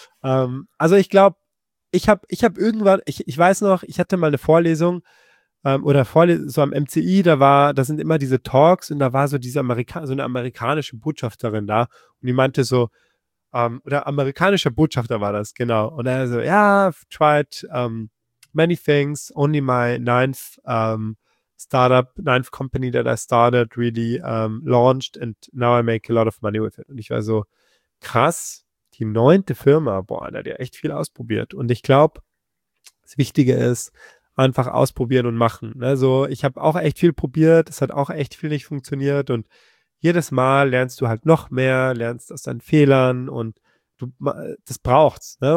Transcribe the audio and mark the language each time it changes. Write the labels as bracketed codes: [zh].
[de] Also ich glaube, ich hatte mal eine Vorlesung so am MCI, da sind immer diese Talks und da war so diese eine amerikanische Botschafterin da und die meinte so, oder amerikanischer Botschafter war das, genau. Und er so, ja, [en] tried many things, only my ninth company that I started really launched and now I make a lot of money with it. [de] Und ich war so, krass, die 9. Firma, boah, der hat ja echt viel ausprobiert. Und ich glaube, das Wichtige ist, einfach ausprobieren und machen. Also ich habe auch echt viel probiert, es hat auch echt viel nicht funktioniert und jedes Mal lernst du halt noch mehr, lernst aus deinen Fehlern und das braucht's. Ne?